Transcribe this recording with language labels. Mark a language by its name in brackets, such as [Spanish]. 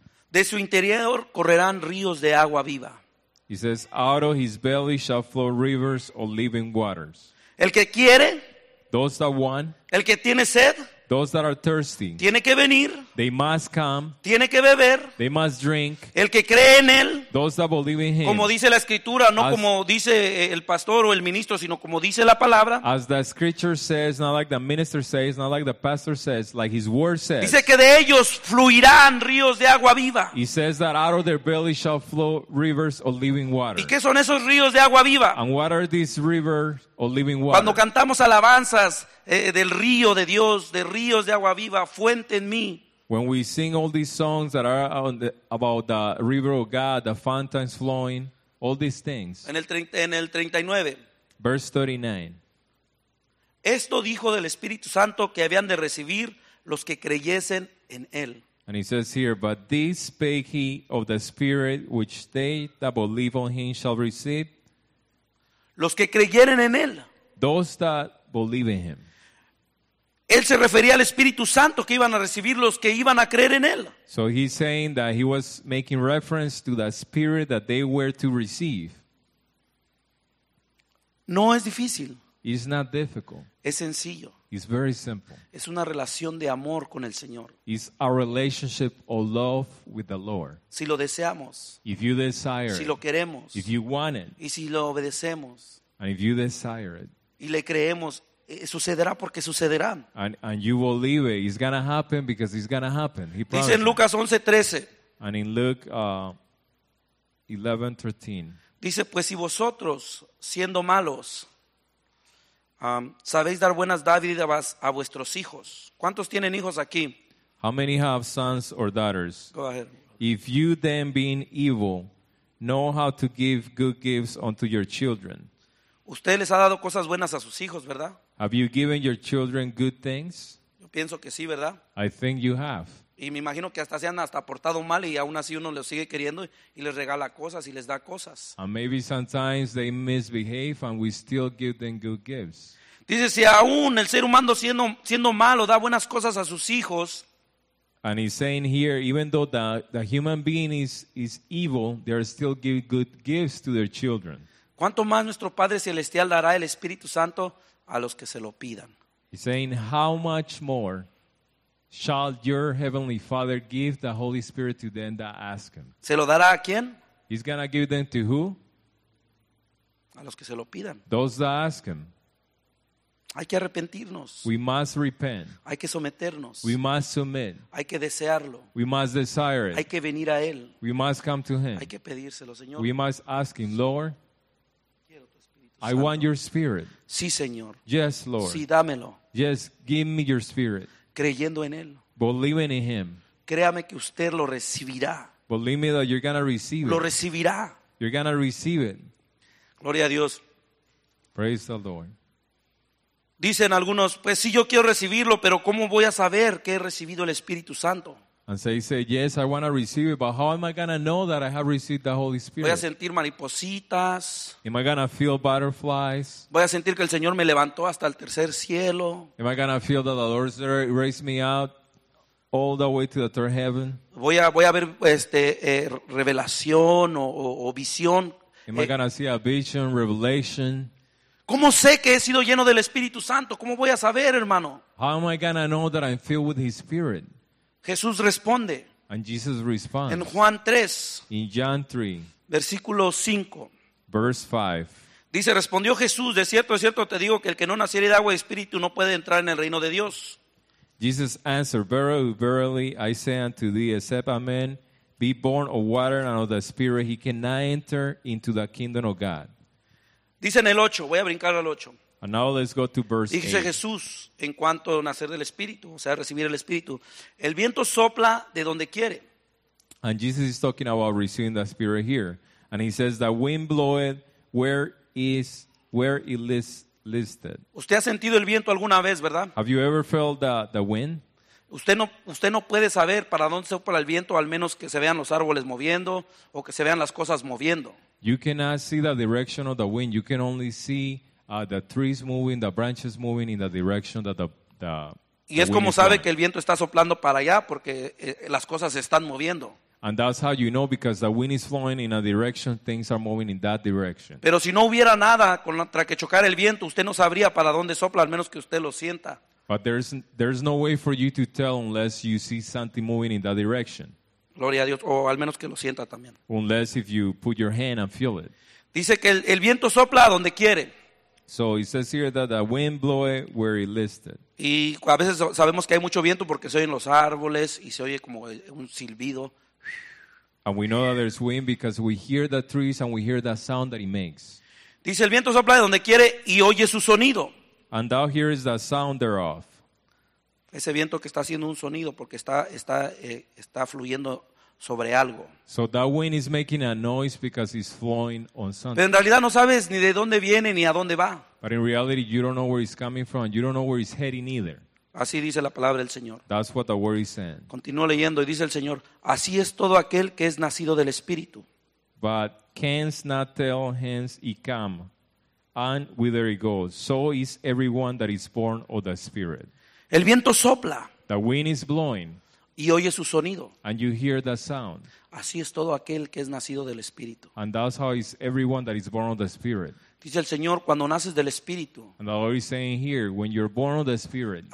[Spanish] De su interior correrán ríos de agua viva. [English] He says, out of his belly shall flow rivers of living waters. [Spanish] El que quiere. [English] Those that want. [Spanish] El que tiene sed. [English] Those that are thirsty. [Spanish] Tiene que venir. [English] They must come. [Spanish] Tiene que beber. [English] They must drink. [Spanish] El que cree en él. [English] Those that believe in him. [Spanish] Como dice la Escritura, no como dice el pastor o el ministro, sino como dice la palabra. [English] As the scripture says, not like the minister says, not like the pastor says, like his word says. [Spanish] Dice que de ellos fluirán ríos de agua viva. [English] He says that out of their belly shall flow rivers of living water. [Spanish] ¿Y qué son esos ríos de agua viva? [English] And what are these rivers of living water? [Spanish] Cuando cantamos alabanzas del río de Dios, de ríos de agua viva, fuente en mí. [English] When we sing all these songs that are about the river of God, the fountains flowing, all these things. [Spanish] En el 39. [English] Verse 39. [Spanish] Esto dijo del Espíritu Santo que habían de recibir los que creyesen en él. [English] And he says here, but this spake he of the Spirit which they that believe on him shall receive. [Spanish] Los que creyeren en él. [English] Those that believe in him. [Spanish] Él se refería al Espíritu Santo que iban a recibir los que iban a creer en él. [English] So he's saying that he was making reference to the Spirit that they were to receive. [Spanish] No es difícil. [English] It's not difficult. [Spanish] Es sencillo. [English] It's very simple. [Spanish] Es una relación de amor con el Señor. [English] It's a relationship of love with the Lord. [Spanish] Si lo deseamos. [English] If you desire. [Spanish] Si lo queremos. [English] If you want it. [Spanish] Y si lo obedecemos. [English] And if you desire it. [Spanish] Y le creemos. Sucederá porque sucederá. [English] And you believe it. It's going to happen because it's going to happen. He promised. [Spanish] Dice en Lucas 11:13. [English] And in Luke 11:13. [Spanish] Dice, pues si vosotros, siendo malos, sabéis dar buenas dádivas a vuestros hijos. ¿Cuántos tienen hijos aquí? [English] How many have sons or daughters? Go ahead. If you then, being evil, know how to give good gifts unto your children. [Spanish] Usted les ha dado cosas buenas a sus hijos, ¿verdad? [English] Have you given your children good things? [Spanish] Yo pienso que sí, ¿verdad? [English] I think you have. [Spanish] Y me imagino que hasta se han hasta portado mal y aún así uno los sigue queriendo y les regala cosas y les da cosas. [English] And maybe sometimes they misbehave and we still give them good gifts. [Spanish] Dice, si aún el ser humano siendo malo da buenas cosas a sus hijos. [English] And he's saying here, even though the human being is evil, they are still giving good gifts to their children. [Spanish] ¿Cuánto más nuestro Padre Celestial dará el Espíritu Santo a los que se lo pidan? [English] He's saying, how much more shall your heavenly Father give the Holy Spirit to them that ask him? [Spanish] ¿Se lo dará a quién? [English] He's going to give them to who? [Spanish] A los que se lo pidan. [English] Those that ask him. [Spanish] Hay que arrepentirnos. [English] We must repent. [Spanish] Hay que someternos. [English] We must submit. [Spanish] Hay que desearlo. [English] We must desire it. [Spanish] Hay que venir a él. [English] We must come to him. [Spanish] Hay que pedírselo, Señor. [English] We must ask him, Lord, [Spanish] quiero tu Espíritu [English] Santo. I want your spirit. [Spanish] Sí, Señor. [English] Yes, Lord. [Spanish] Sí, dámelo. [English] Yes, give me your spirit. [Spanish] Creyendo en él. [English] Believing in him. [Spanish] Créame que usted lo recibirá. [English] Believe me that you're going to receive [Spanish] lo [English] it. [Spanish] Lo recibirá. [English] You're going to receive it. [Spanish] Gloria a Dios. [English] Praise the Lord. [Spanish] Dicen algunos, pues sí, yo quiero recibirlo, pero ¿cómo voy a saber que he recibido el Espíritu Santo? [English] And so he said, yes, I want to receive it, but how am I going to know that I have received the Holy Spirit? [Spanish] Voy a sentir maripositas. [English] Am I going to feel butterflies? [Spanish] Voy a sentir que el Señor me levantó hasta el tercer cielo. [English] Am I going to feel that the Lord raised me out all the way to the third heaven? [Spanish] Voy a ver revelación o visión. [English] Am I going to see a vision, revelation? [Spanish] ¿Cómo sé que he sido lleno del Espíritu Santo? ¿Cómo voy a saber, hermano? [English] How am I going to know that I'm filled with his spirit? [Spanish] Jesús responde. [English] And Jesus responds. [Spanish] En Juan 3. [English] In John 3. [Spanish] Versículo 5. [English] Verse 5. [Spanish] Dice, respondió Jesús, de cierto te digo que el que no naciere de agua y espíritu no puede entrar en el reino de Dios. [English] Jesus answered, verily, verily, I say unto thee, except a man be born of water and of the spirit, he cannot enter into the kingdom of God. [Spanish] Dice en el 8, voy a brincar al 8. [English] And now let's go to verse 8. [Spanish] Dice Jesús, en cuanto a nacer del Espíritu, o sea, recibir el Espíritu, el viento sopla de donde quiere. [English] And Jesus is talking about receiving the Spirit here. And he says, the wind bloweth where it listed. [Spanish] ¿Usted ha sentido el viento alguna vez, verdad? [English] Have you ever felt the wind? [Spanish] Usted no puede saber para dónde se sopla el viento, al menos que se vean los árboles moviendo o que se vean las cosas moviendo. [English] You cannot see the direction of the wind. You can only see the trees moving, the branches moving in the direction that the [Spanish] y es como sabe que el viento está soplando para allá porque las cosas se están moviendo. [English] And that's how you know, because the wind is flowing in a direction, things are moving in that direction. [Spanish] Pero si no hubiera nada contra que chocar el viento, usted no sabría para dónde sopla, al menos que usted lo sienta. [English] But there's no way for you to tell unless you see something moving in that direction. [Spanish] Gloria a Dios, o al menos que lo sienta también. [English] Unless if you put your hand and feel it. [Spanish] Dice que el viento sopla donde quiere. [English] So it says here that the wind blows where it listed. [Spanish] Y a veces sabemos que hay mucho viento porque se oyen los árboles y se oye como un silbido. [English] And we know that there's wind because we hear the trees and we hear the sound that it makes. [Spanish] Dice el viento sopla donde quiere y oye su sonido. [English] And thou hears the sound thereof. [Spanish] Ese viento que está haciendo un sonido porque está fluyendo sobre algo. [English] So that wind is making a noise because it's flowing on something. [Spanish] Pero en realidad no sabes ni de dónde viene ni a dónde va. [English] But in reality you don't know where it's coming from. You don't know where it's heading either. [Spanish] Así dice la palabra del Señor. [English] That's what the word is saying. [Spanish] Continúo leyendo y dice el Señor, así es todo aquel que es nacido del Espíritu. [English] But canst not tell hence he come and whither he goes. So is everyone that is born of the Spirit. [Spanish] El viento sopla. [English] The wind is blowing. [Spanish] Y oye su sonido. [English] And you hear the sound. [Spanish] Así es todo aquel que es nacido del Espíritu. [English] And that's how is everyone that is born of the Spirit. [Spanish] Dice el Señor, cuando naces del Espíritu. [English] And the Lord is saying here, when you're born of the Spirit.